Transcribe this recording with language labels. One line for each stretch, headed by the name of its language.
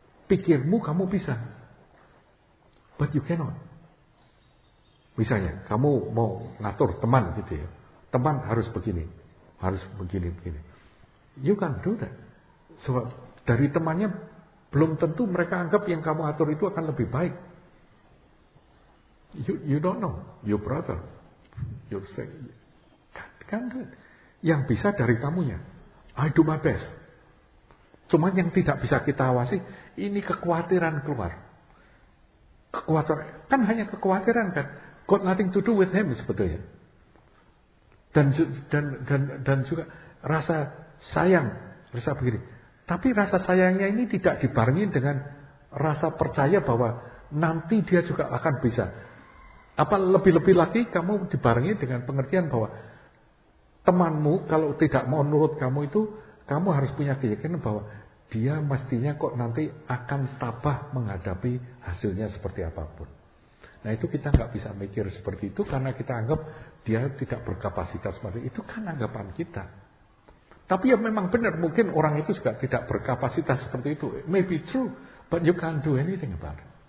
Indonesian: Pikirmu kamu bisa,
English: but you cannot.
Indonesian: Misalnya kamu mau ngatur teman gitu ya, teman harus begini begini,
English: you can't do that.
Indonesian: Sebab dari temannya belum tentu mereka anggap yang kamu atur itu akan lebih baik.
English: You don't know your brother, your sister.
Indonesian: Kan yang bisa dari kamunya.
English: I do my best.
Indonesian: Cuma yang tidak bisa kita awasi ini kekhawatiran keluar. Kekhawatiran kan hanya kekhawatiran kan.
English: Got nothing to do with him
Indonesian: sebetulnya. Dan juga rasa sayang, rasa begini. Tapi rasa sayangnya ini tidak dibarengin dengan rasa percaya bahwa nanti dia juga akan bisa. Apa lebih-lebih lagi kamu dibarengin dengan pengertian bahwa temanmu kalau tidak mau nurut kamu itu, kamu harus punya keyakinan bahwa dia mestinya kok nanti akan tabah menghadapi hasilnya seperti apapun. Nah itu kita gak bisa mikir seperti itu karena kita anggap dia tidak berkapasitas. Itu kan anggapan kita. Tapi ya memang benar, mungkin orang itu juga tidak berkapasitas seperti itu.
English: Maybe true, but you can't do anything about it.